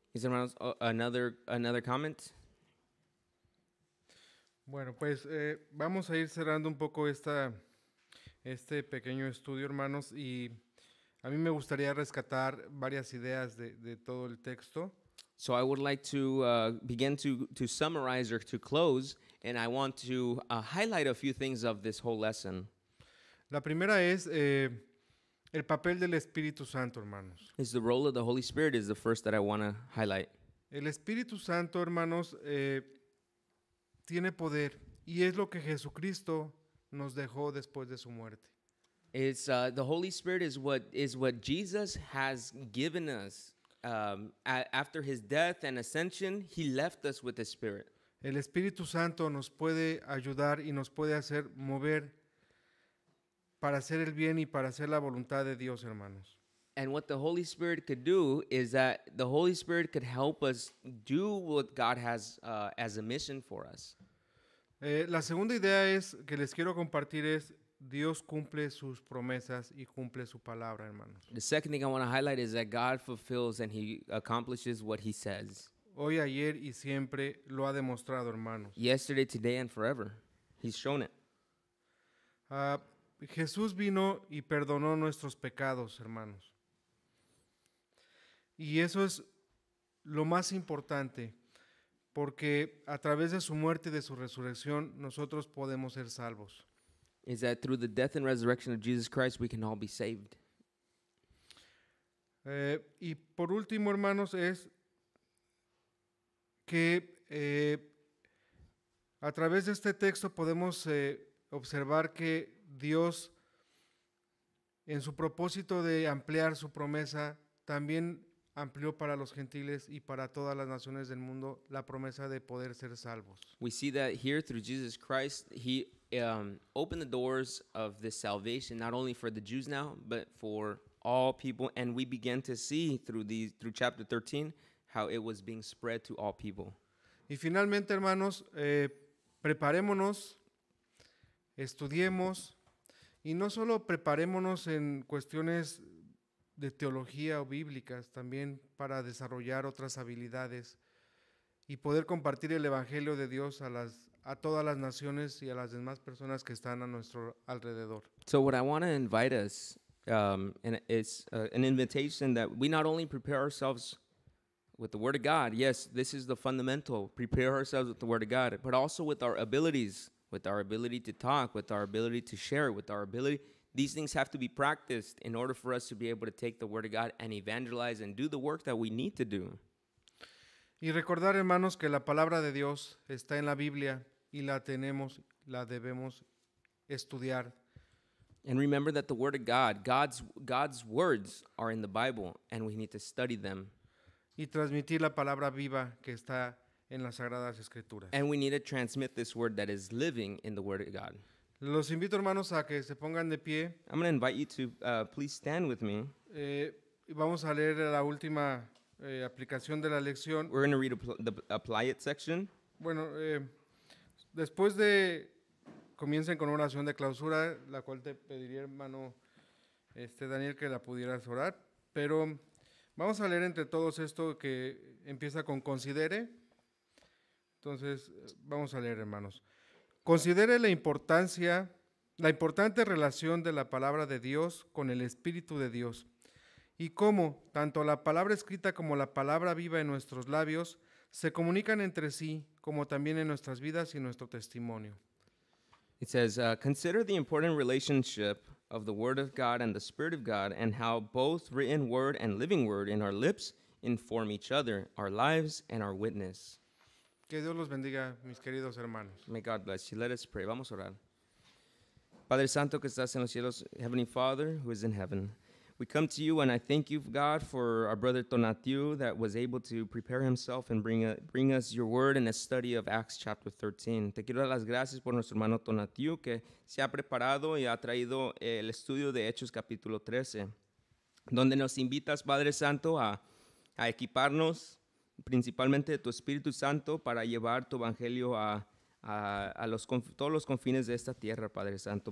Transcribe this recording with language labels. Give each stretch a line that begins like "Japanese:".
Spanish: Mis hermanos,
English: another comment.
Spanish: Bueno, pues vamos a ir cerrando un poco este pequeño estudio, hermanos, y a mí me gustaría rescatar varias ideas de todo el texto.
English: So I would like to begin to summarize or to close, and I want to highlight a few things of this whole lesson.
Spanish: La primera es el papel del Espíritu Santo, hermanos.
English: It's the role of the Holy Spirit is the first that I want to highlight.
Spanish: El Espíritu Santo, hermanos, tiene poder y es lo que Jesucristo nos dejó después de su muerte.
English: It's the Holy Spirit is what Jesus has given us after his death and ascension. He left us with the Spirit.
Spanish: El Espíritu Santo nos puede ayudar y nos puede hacer mover para hacer el bien y para hacer la voluntad de Dios, hermanos.
English: And what the Holy Spirit could do is that the Holy Spirit could help us do what God has as a mission for us.
Spanish: La segunda idea es que les quiero compartir es Dios cumple sus promesas y cumple su palabra, hermanos.
English: The second thing I want to highlight is that God fulfills and he accomplishes what he says.
Spanish: Hoy, ayer y siempre lo ha demostrado, hermanos.
English: Yesterday, today and forever. He's shown it.
Spanish: Jesús vino y perdonó nuestros pecados, hermanos. Y eso es lo más importante, porque a través de su muerte y de su resurrección, nosotros podemos ser salvos.
English: Is that through the death and resurrection of Jesus Christ, we can all be saved.
Spanish: Y por último, hermanos, es que a través de este texto podemos observar que Dios, en su propósito de ampliar su promesa, también amplió para los gentiles y para todas las naciones del mundo la promesa de poder ser salvos.
English: We see that here through Jesus Christ, he opened the doors of this salvation, not only for the Jews now, but for all people. And we began to see through chapter 13 how it was being spread to all people.
Spanish: Y finalmente, hermanos, preparémonos, estudiemos, y no solo preparémonos en cuestiones de teología o bíblicas, también para desarrollar otras habilidades y poder compartir el Evangelio de Dios a todas las naciones y a las demás personas que están a nuestro alrededor.
English: So what I want to invite us, and it's an invitation that we not only prepare ourselves with the Word of God, yes, this is the fundamental, prepare ourselves with the Word of God, but also with our abilities, with our ability to talk, with our ability to share, with our ability. These things have to be practiced in order for us to be able to take the Word of God and evangelize and do the work that we need to do.
Spanish: Y recordar, hermanos, que la palabra de Dios está en la Biblia y la tenemos, la debemos estudiar.
English: And remember that the Word of God, God's words are in the Bible, and we need to study them.
Spanish: Y transmitir la palabra viva que está en las Sagradas Escrituras.
English: And we need to transmit this word that is living in the Word of God.
Spanish: Los invito, hermanos, a que se pongan de pie.
English: I'm going to invite you to please stand with me.
Spanish: Vamos a leer la última aplicación de la lección.
English: We're going to read the apply it section.
Spanish: Bueno, después de comiencen con oración de clausura, la cual te pediría, hermano Daniel, que la pudieras orar. Pero vamos a leer entre todos esto que empieza con considere. Entonces, vamos a leer, hermanos. Considere la importante relación de la palabra de Dios con el Espíritu de Dios y cómo tanto la palabra escrita como la palabra viva en nuestros labios se comunican entre sí, como también en nuestras vidas y nuestro testimonio.
English: It says, consider the important relationship of the Word of God and the Spirit of God and how both written word and living word in our lips inform each other, our lives and our witness.
Spanish: Que Dios los bendiga, mis queridos hermanos.
English: May God bless you. Let us pray.
Spanish: Vamos a orar. Padre Santo que estás en los cielos,
English: Heavenly Father who is in heaven, we come to you and I thank you, God, for our brother Tonatiuh that was able to prepare himself and bring us your word in a study of Acts chapter 13.
Spanish: Te quiero dar las gracias por nuestro hermano Tonatiuh que se ha preparado y ha traído el estudio de Hechos capítulo 13, donde nos invitas, Padre Santo, a equiparnos principalmente de tu Espíritu Santo para llevar tu evangelio a todos los confines de esta tierra, Padre Santo.